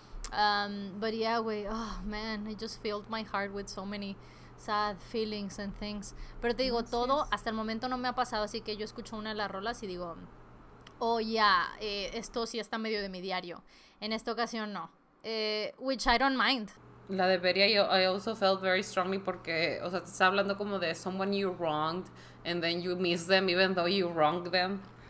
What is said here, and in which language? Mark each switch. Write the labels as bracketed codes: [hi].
[en] But yeah, güey, oh man, I just filled my heart with so many sad feelings and things. [es] Pero te digo, todo, hasta el momento no me ha pasado. Así que yo escucho una de las rolas y digo, [en] oh yeah, [es] esto sí está medio de mi diario. En esta ocasión no. [en] Which I don't mind. La de Beria, I also felt very strongly [es] porque, o sea, te está hablando como de [en] someone you wronged and then you miss them even though you wronged them.